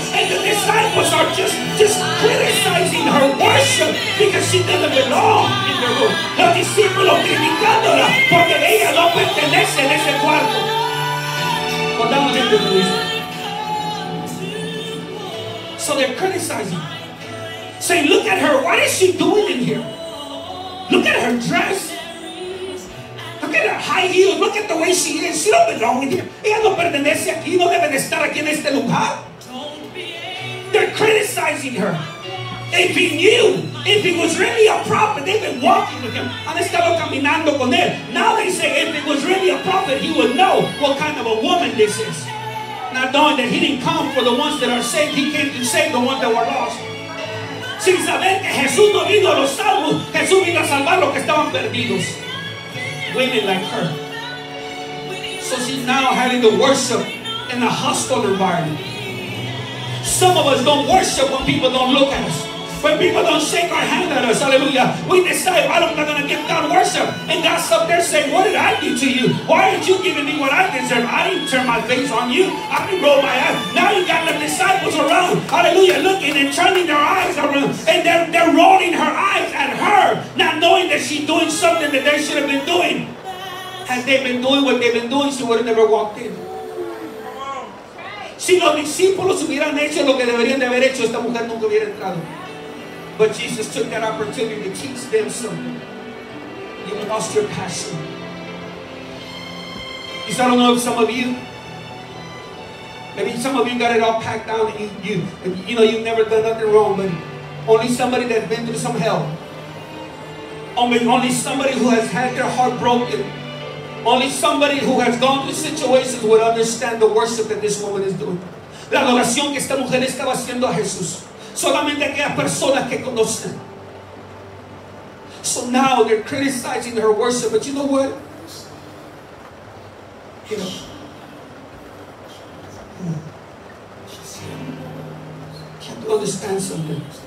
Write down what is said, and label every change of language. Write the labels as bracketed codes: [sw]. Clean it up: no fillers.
[en] And the disciples are just criticizing her worship because she doesn't belong in the room. [es] Los discípulos criticándola porque ella no pertenece en ese cuarto. [en] Well, that was a good reason. So they're criticizing. Saying, look at her. What is she doing in here? Look at her dress. Look at her high heels. Look at the way she is. She don't belong in here. [es] Ella no pertenece aquí. No deben estar aquí en este lugar. [en] They're criticizing her. If he knew, if he was really a prophet, they've been walking with him. [es] Han estado caminando con él. [en] Now they say, if he was really a prophet, he would know what kind of a woman this is. Not knowing that he didn't come for the ones that are saved, he came to save the ones that were lost. [es] Sin saber que Jesús no vino a los salvos, Jesús vino a salvar los que estaban perdidos. [en] Women like her. So she's now having to worship in a hostile environment. Some of us don't worship when people don't look at us. When people don't shake our hand at us, hallelujah, we decide, well, I'm not going to give God worship. And God's up there saying, what did I do to you? Why aren't you giving me what I deserve? I didn't turn my face on you. I didn't roll my eyes. Now you got the disciples around, hallelujah, looking and turning their eyes around. And they're rolling her eyes at her, not knowing that she's doing something that they should have been doing. Had they been doing what they've been doing, she would have never walked in. [es] Si los discípulos hubieran hecho lo que deberían de haber hecho, esta mujer nunca hubiera entrado. [en] But Jesus took that opportunity to teach them something. You lost your passion. He said, I don't know if some of you, maybe some of you got it all packed down and you know you've never done nothing wrong, but only somebody that's been through some hell. Only somebody who has had their heart broken. Only somebody who has gone through situations would understand the worship that this woman is doing. [es] La adoración que esta mujer estaba haciendo a Jesús. Solamente aquellas personas que conocen. [en] So now they're criticizing her worship, but you know what? You have to understand something.